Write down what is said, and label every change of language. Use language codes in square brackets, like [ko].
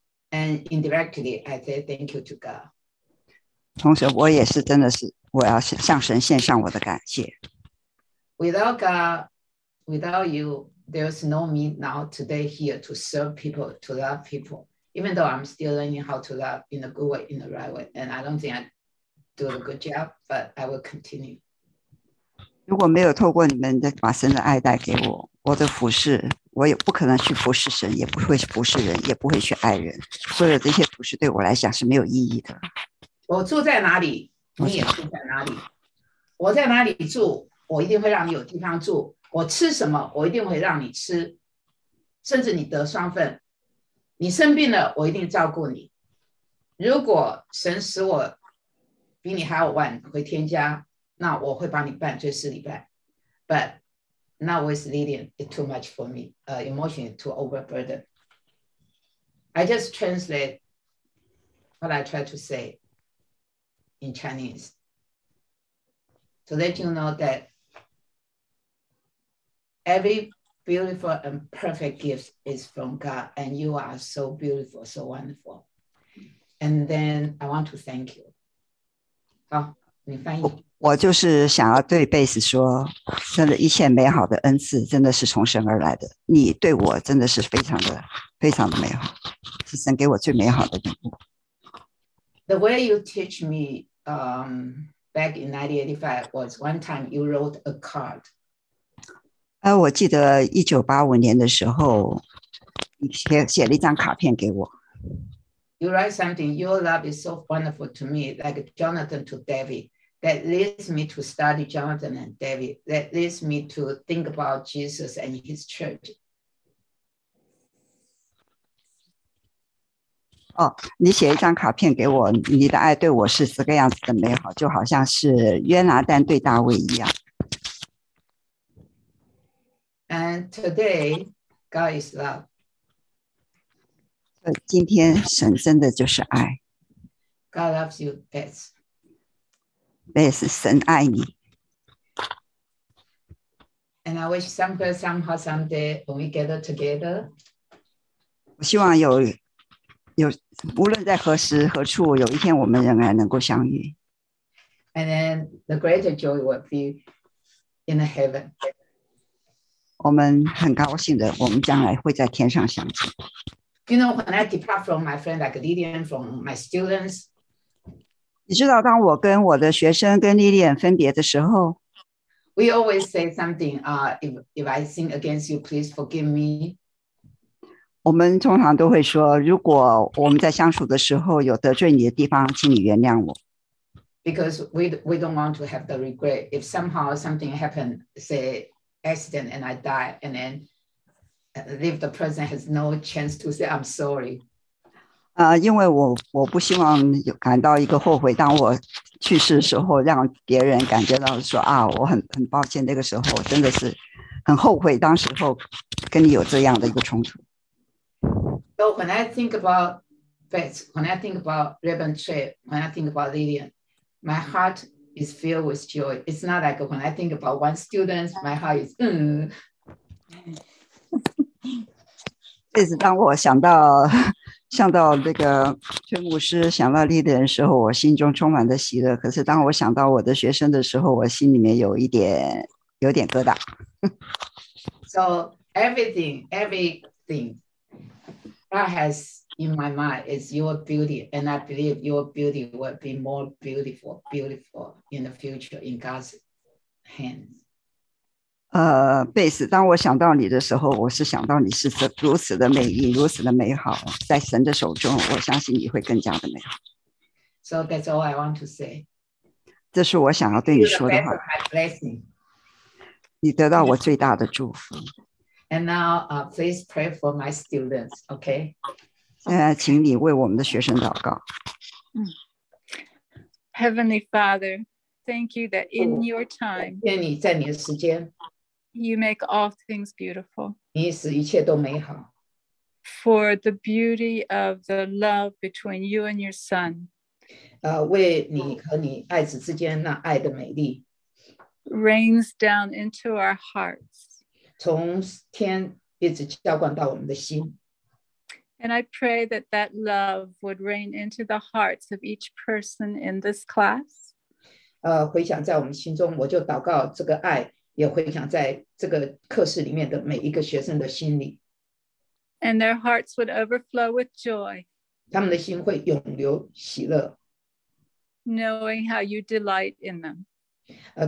[en] And indirectly, I say thank you to God. [zh] 同时，我也是真的是我要向神献上我的感谢。 [en] Without God, without you. There's no me now today here to serve people, to love people, even though I'm still learning how to love in a good way, in the right way. And I don't think I do a good job, but I will continue. [zh] 如果没有透过你们的把神的爱带给我，我的服侍，我也不可能去服侍神，也不会去服侍人，也不会去爱人。所有这些服侍对我来讲是没有意义的。我住在哪里，你也住在哪里。我在哪里住，我一定会让你有地方住。我吃什么，我一定会让你吃，甚至你得双份。你生病了，我一定照顾你。如果神使我比你还要晚回天家，那我会帮你办追思礼拜。 [en] But not with Lillian, it's too much for me. Emotionally too overburdened. I just translate what I try to say in Chinese to let you know that. Every beautiful and perfect gift is from God, and you are so beautiful, so wonderful. And then I want to thank you. [zh] 好，你翻译。我就是想要对贝斯说，真的，一切美好的恩赐真的是从神而来的。你对我真的是非常的、非常的美好，是神给我最美好的礼物。 [en] The way you teach me, back in 1985 was one time you wrote a card. [zh] 我记得1985年的时候，你写了一张卡片给我。 [en] you write something, your love is so wonderful to me, like Jonathan to David. That leads me to study Jonathan and David. That leads me to think about Jesus and his church. [zh] 哦，你写一张卡片给我，你的爱对我是这个样子的美好，就好像是约拿丹对大卫一样。 [en] And today, God is love. [zh] 今天神真的就是爱。 [en] God loves you, Beth. [zh] Beth, 神爱你。 [en] And I wish someday, somehow, someday, when we gather together. [zh] 我希望有无论在何时何处，有一天我们仍然能够相遇。 [en] And then the greater joy will be in the heaven. [zh] 我们很高兴的，我们将来会在天上相见。 [en] You know, when I depart from my friend like Lillian, from my students, [zh] 你知道，当我跟我的学生跟 Lillian 分别的时候 [en] ，We always say something. If I sin against you, please forgive me. [zh] 我们通常都会说，如果我们在相处的时候有得罪你的地方，请你原谅我。 [en] Because we don't want to have the regret if somehow something happened, say accident and I die, and then leave the person has no chance to say I'm sorry. [zh] 因为我不希望有感到一个后悔，当我去世的时候，让别人感觉到说啊，我很抱歉，那个时候真的是很后悔，当时候跟你有这样的一个冲突。 [en] So when I think about Beth, when I think about Reverend Trey, when I think about Lillian, my heart is filled with joy. It's not like when I think about one student, my heart is [zh] 这是当我想到这个崔牧师，想到 Lillian 的时候，我心中充满着喜乐。可是当我想到我的学生的时候，我心里面有点疙瘩。 [en] So everything. God has in my mind is your beauty, and I believe your beauty will be more beautiful in the future in God's hands. [zh] Beth, 当我想到你的时候，我是想到你是如此的美丽，如此的美好，在神的手中，我相信你会更加的美好。 [en] So that's all I want to say. [zh] 这是我想要对你说的话。 [en] You're the best of my blessing. [zh] 你得到我最大的祝福。 [en] And now, please pray for my students, okay? [zh] 请你为我们的学生祷告。 [en] Heavenly Father, thank you that in your time, [zh] 谢谢你在你的时间 [en] you make all things beautiful. [zh] 你使一切都美好。 [en] For the beauty of the love between you and your son, [zh] 为你和你爱子之间那爱的美丽 [en] rains down into our hearts. [zh] 从天一直浇灌到我们的心。 [en] And I pray that that love would rain into the hearts of each person in this class. [zh] 回响在我们心中，我就祷告这个爱也回响在这个课室里面的每一个学生的心里。 [en] And their hearts would overflow with joy. [zh] 他们的心会涌流喜乐。 [en] Knowing how you delight in them.